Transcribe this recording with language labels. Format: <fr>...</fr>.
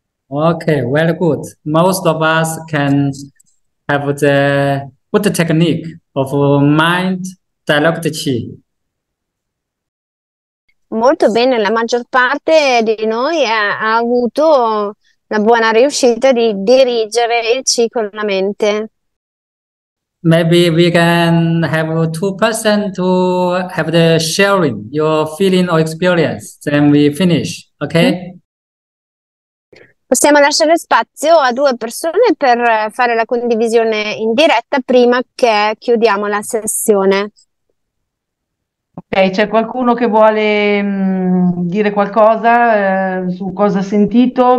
<en>Okay, very good. Most of us can have the good technique of mind dialogue chi.</en> <it>Molto bene, la maggior parte di noi ha avuto una buona riuscita di dirigere il chi con la mente.</it> <en>Maybe we can have 2% to have the sharing your feeling or experience, then we finish, okay?</en> <it>Possiamo lasciare spazio a due persone per fare la condivisione in diretta prima che chiudiamo la sessione. Ok, c'è qualcuno che vuole dire qualcosa su cosa ha sentito?</it>